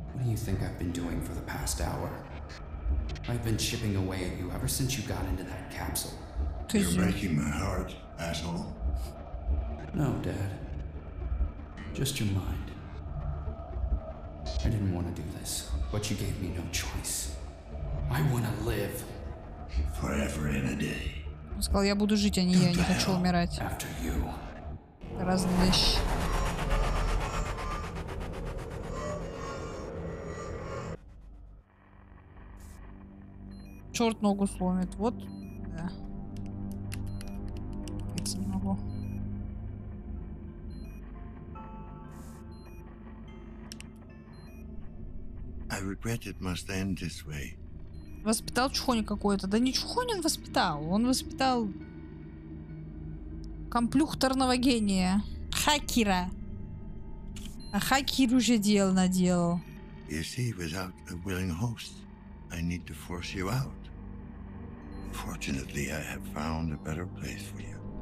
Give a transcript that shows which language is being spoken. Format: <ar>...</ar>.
<en>What do you think I've been doing for the past hour? I've been chipping away at you ever since you got into that capsule. You're breaking my heart, asshole. No, Dad. Just your mind. I didn't want to do this, but you gave me no choice. I want to live. Forever and a day.</en> <ru>Он сказал, я буду жить, а не я не хочу умирать. Разные вещи. Черт ногу сломит. Вот. Да. Я не могу.</ru> <en>I regret it must end this way.</en> <ru>Воспитал чухонь какой-то. Да не чухонь он воспитал. Он воспитал компьютерного гения. Хакера. А хакер уже дело наделал.</ru> <en>You see, without a willing host, I need to force you out. Fortunately, I have found a better place for you.</en>